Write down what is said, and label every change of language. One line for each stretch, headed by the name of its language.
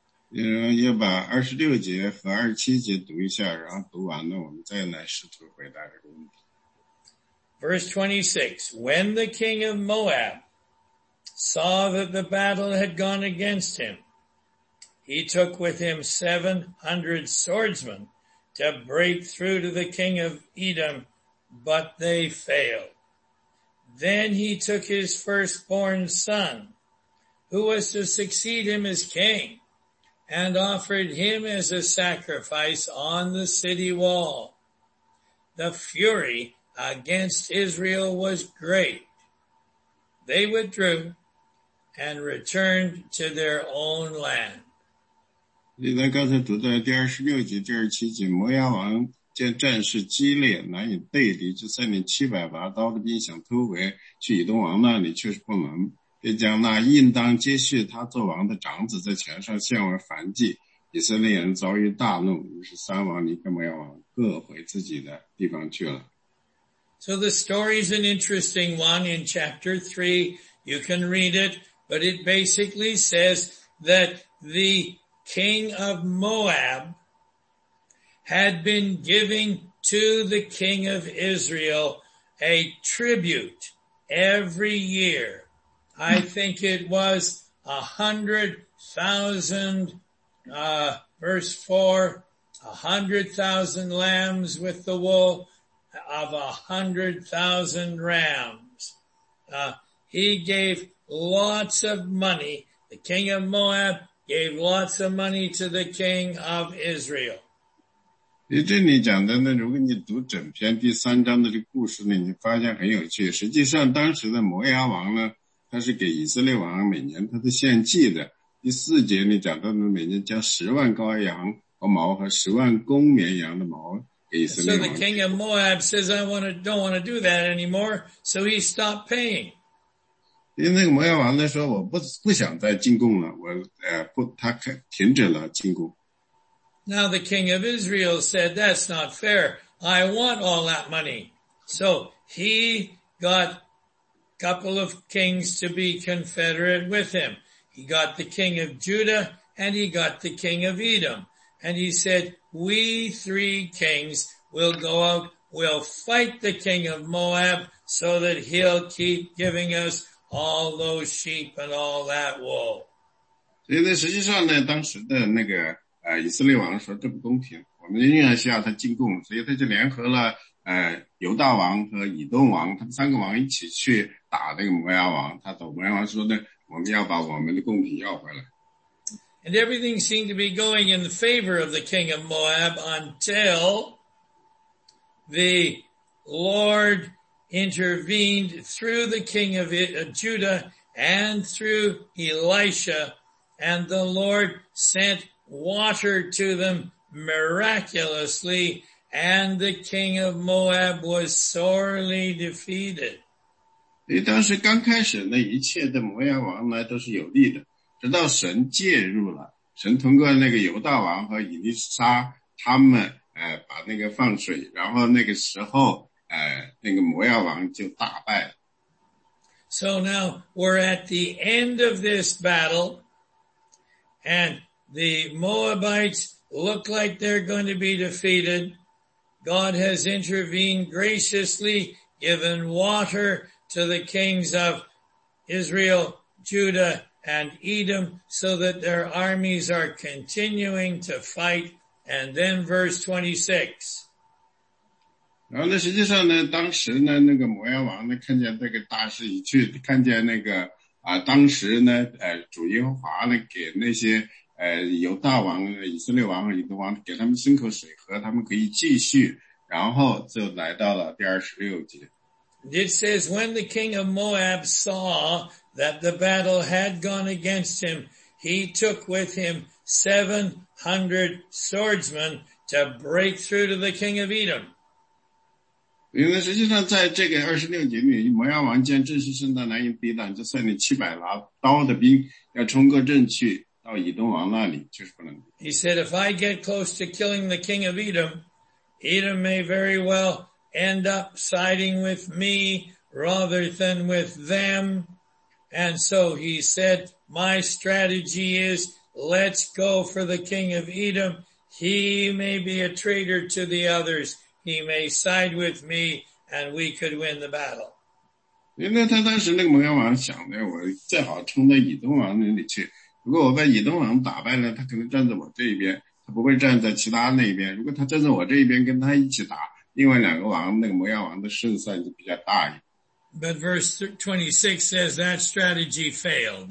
Chinese: 要把26节和27节读一下，然后读完了我们再来试图回答这个问题。
English: Verse 26, when the king of Moab saw that the battle had gone against him, he took with him 700 swordsmen to break through to the king of Edom, but they failed. Then he took his firstborn son, who was to succeed him as king,and offered him as a sacrifice on the city wall. The fury against Israel was great. They withdrew and returned to their own land.
Chinese: 你在刚才读的第26节、第27节，摩押王见战事激烈，难以对敌，就率领700把刀的兵想突围去以东王那里，却是不能。便将那应当接续他做王的长子在前上献为燔祭，以色列人遭遇大怒，于是三王离开摩押王，各回自己的地方去了。
English: So the story is an interesting one in chapter 3. You can read it, but it basically says that the king of Moab had been giving to the king of Israel a tribute every year. I think it was 100,000, verse 4, 100,000 lambs with the wool of 100,000 rams. He gave lots of money. The king of Moab gave lots of money to the king of Israel.
Chinese: 你这里讲的呢，如果你读整篇第三章的这故事呢，你发现很有趣。实际上当时的摩押王呢，他是给以色列王每年他的献祭的。第四节里讲到每年将10万羔羊和毛和10万公绵羊的毛给以色列王。
English: So the king of Moab says, I don't want to do that anymore. So he stopped paying.
Chinese: 因为那个摩押王呢说我不想再进贡了，他停止了进贡。
English: Now the king of Israel said, that's not fair. I want all that money. So he got couple of kings to be confederate with him. He got the king of Judah and he got the king of Edom. And he said, we three kings will go out, we'll fight the king of Moab so that he'll keep giving us all those sheep and all that wool.
Chinese: 所以呢，实际上呢，当时的那个以色列王说这不公平，我们仍然需要他进贡，所以他就联合了犹大王和以东王他们三个王一起去打那个摩押王，他走摩押王说呢，我们要把我们的贡品要回来。
English: And everything seemed to be going in the favor of the king of Moab until the Lord intervened through the king of Judah and through Elisha, and the Lord sent water to them miraculously, and the king of Moab was sorely defeated.
Chinese: 所以当时刚开始那一切的摩押王呢都是有利的，直到神介入了，神通过那个犹大王和以利沙他们把那个放水，然后那个时候那个摩押王就大败了。
English: So now we're at the end of this battle, and the Moabites look like they're going to be defeated. God has intervened graciously, given water to the kings of Israel, Judah, and Edom, so that their armies are continuing to fight. And then verse 26.
Chinese: 然后呢，实际上呢，当时呢，那个摩押王呢，看见这个大势已去，看见那个当时呢，主耶和华呢，给那些犹大王、以色列王、以东王，给他们牲口水喝，他们可以继续，然后就来到了第二十六节。
English: It says, when the king of Moab saw that the battle had gone against him, he took with him 700 swordsmen to break through to the king of Edom.
Chinese: 因为实际上在这个二十六节里，摩押王见阵势甚大，难以抵挡，就率领七百拿刀的兵要冲过阵去到以东王那里，就是不能。
English: He said, if I get close to killing the king of Edom, Edom may very well end up siding with me rather than with them. And so he said, my strategy is, let's go for the king of Edom. He may be a traitor to the others. He may side with me, and we could win the battle.
Chinese: 因为他当时那个摩押王想的，我最好冲到以东王那里去。如果我把以东王打败了，他可能站在我这一边，他不会站在其他那一边。如果他站在我这一边，跟他一起打，另外两个王，那个摩押王的胜算就比较大一点。
English: But verse 26 says that strategy failed.